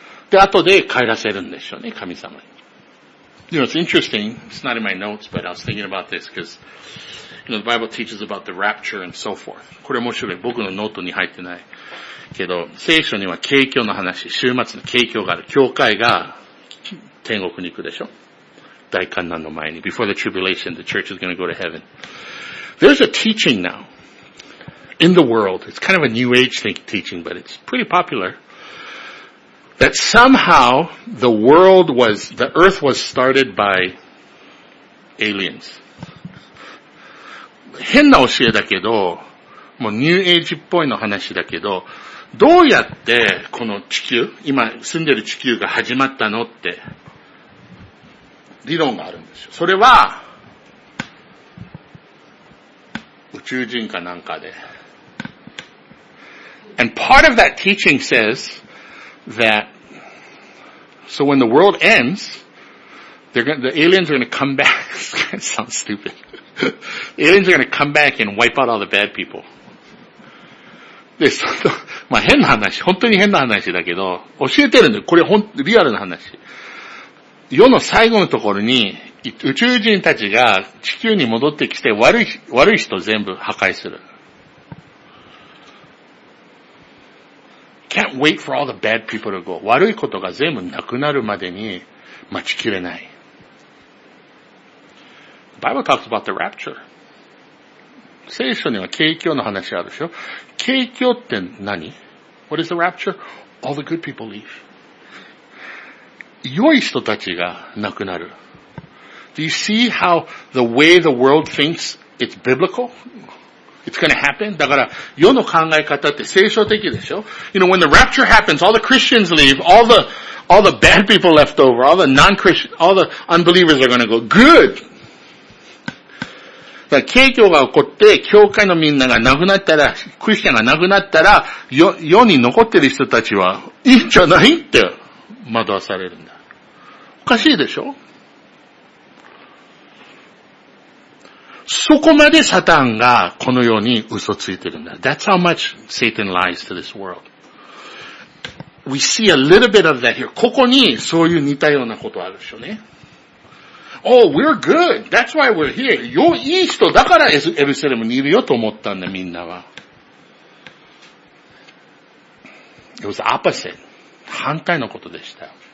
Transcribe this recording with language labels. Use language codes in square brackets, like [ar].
[ja] で、後で帰らせるんでしょうね、神様に。 [en] You know, it's interesting. It's not in my notes, but I was thinking about this because, you know, the Bible teaches about the rapture and so forth. [ja] これ面白い。僕のノートに入ってない。けど、聖書には景況の話、週末の景況がある。教会が、天国に行くでしょ。大患難の前に。 [en] Before the tribulation, the church is going to go to heaven. There's a teaching now in the world. It's kind of a new age teaching, but it's pretty popular. That somehow the earth was started by aliens. [ja] 変な教えだけど、もうニューエイジっぽいの話だけど、どうやってこの地球、今住んでる地球が始まったのって、理論があるんですよ。それは、宇宙人かなんかで。 [en] And part of that teaching says that, so when the world ends, the aliens are going to come back. It sounds stupid. Aliens are going to come back and wipe out all the bad people. [ja] で、まあ変な話、本当に変な話だけど、教えてるんだよ。これ本当、リアルな話。世の最後のところに宇宙人たちが地球に戻ってきて悪い人全部破壊する。 [en] Can't wait for all the bad people to go. [ja] 悪いことが全部なくなるまでに待ちきれない。 [en] Bible talks about the rapture. [ja] 聖書には景況の話あるでしょ。景況って何？ [en] What is the rapture? All the good people leave. [ja] 良い人たちが亡くなる。 [en] Do you see how the way the world thinks it's biblical? It's gonna happen? [ja] だから、世の考え方って聖書的でしょ ? [en] You know, when the rapture happens, all the Christians leave, all the bad people left over, all the non-Christian, all the unbelievers are gonna go, good! [ja] だから、景況が起こって、教会のみんなが亡くなったら、クリスチャンが亡くなったら、世に残ってる人たちは、いいんじゃないって。惑わされるんだ。おかしいでしょ？そこまでサタンがこの世に嘘ついてるんだ。 [en] That's how much Satan lies to this world. We see a little bit of that here. [ja] ここにそういう似たようなことあるでしょうね。 [en] Oh, we're good. That's why we're here. [ja] いい人だからエルサレムにいるよと思ったんだ、みんなは。 [en] It was the opposite. [ja] 反対のことでした。